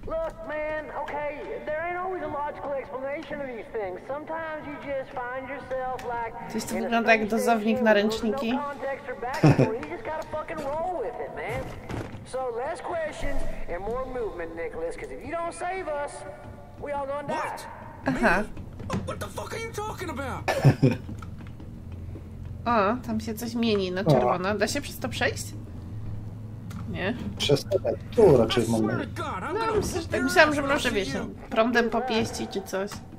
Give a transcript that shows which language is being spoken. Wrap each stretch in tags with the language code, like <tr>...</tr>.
<en>Look, man, okay, there ain't always a logical explanation of these things. Sometimes you just find yourself like...</en> <pl>To jest to wygląda jak dozownik na ręczniki.</pl> <en>You just gotta fucking roll with it, man. So less questions and more movement, Nicholas, because if you don't save us, we all gonna die. What? Aha. What the fuck are you talking about?</en> <pl>O, tam się coś mieni na czerwono. Da się przez to przejść? Nie? Przez to raczej mam. No, myślałam, że może, wiesz, prądem popieścić czy coś.</pl>